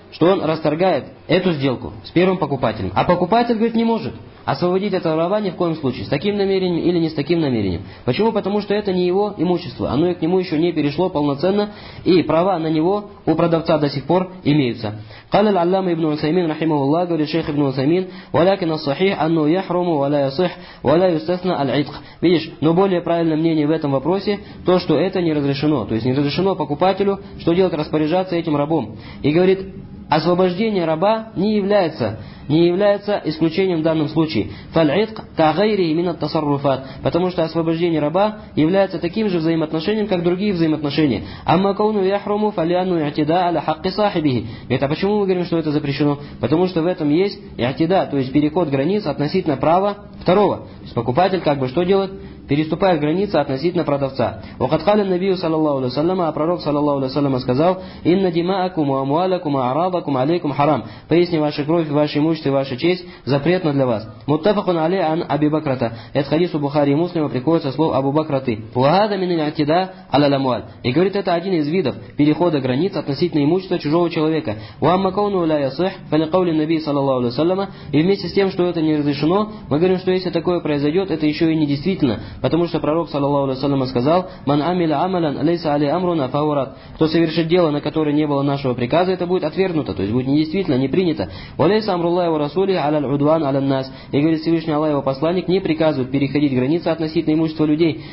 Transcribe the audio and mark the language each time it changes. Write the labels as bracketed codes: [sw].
[ru] Что он расторгает эту сделку с первым покупателем. А покупатель, говорит, не может освободить этого раба ни в коем случае. С таким намерением или не с таким намерением. Почему? Потому что это не его имущество. Оно и к нему еще не перешло полноценно. И права на него у продавца до сих пор имеются. [ar] قال العلامة ابن عثيمين رحمه الله قال الشيخ ابن عثيمين ولكن الصحيح أنه يحرم ولا يصح ولا يستثنى العتق. [ru] Видишь, но более правильное мнение в этом вопросе то, что это не разрешено. То есть не разрешено покупателю что делать, распоряжаться этим рабом. И говорит, освобождение раба не является исключением в данном случае. [ar] فالعتق كغيره من التصرفات. [ru] Потому что освобождение раба является таким же взаимоотношением, как другие взаимоотношения. [ar] أما كونه يحرم فلأنه اعتداء على حق صاحبه. [ru] Это почему мы говорим, что это запрещено? Потому что в этом есть иатида, то есть переход границ относительно права второго. То есть покупатель как бы что делает? Переступает границы относительно продавца. [ar] وقد قال النبي صلى الله عليه وسلم, [ru] а пророк [ar] صلى الله عليه وسلم [ru] сказал, [ar] إن دماءكم وأموالكم وأعراضكم عليكم حرام. [ru] Поясни, ваша кровь, ваше имущество, ваша честь запретна для вас. [ar] متفق عليه عن أبي بكرة. [ru] Это хадис у Бухари и Муслима, приходится слово Абу Бакраты. [ar] وهذا من الاعتداء على الأموال. [ru] И говорит, это один из видов перехода границ относительно имущества чужого человека. [ar] وأما كونه لا يصح فلقول النبي صلى الله عليه وسلم. [ru] И вместе с тем, что это не разрешено, мы говорим, что если такое произойдет, это еще и не действительно. Потому что пророк, саллаллаху алейхи ва саллям, сказал, [ar] «Ман амиля амалян, лейса али амруна фаурат». [ru] Кто совершит дело, на которое не было нашего приказа, это будет отвергнуто, то есть будет недействительно, не принято. [ar] «Ва лейса амруллах ва расулих аляль удван аляль нас». [ru] И говорит Всевышний Аллах, его посланник не приказывает переходить границы относительно имущества людей.